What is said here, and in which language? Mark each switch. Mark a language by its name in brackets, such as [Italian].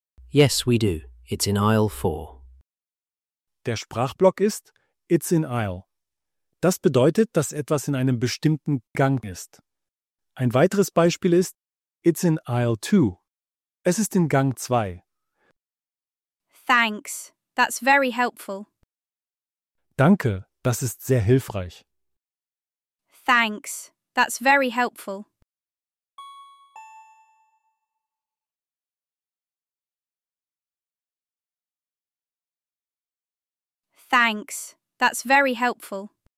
[English] Yes, we do. It's in aisle 4. [German] Der Sprachblock ist [English] it's in aisle. [German] Das bedeutet, dass etwas in einem bestimmten Gang ist. Ein weiteres Beispiel ist, [English] it's in aisle 2. [German] Es ist in Gang 2. [English] Thanks, that's very helpful. [German] Danke, das ist sehr hilfreich. [English] Thanks, that's very helpful. Thanks, that's very helpful.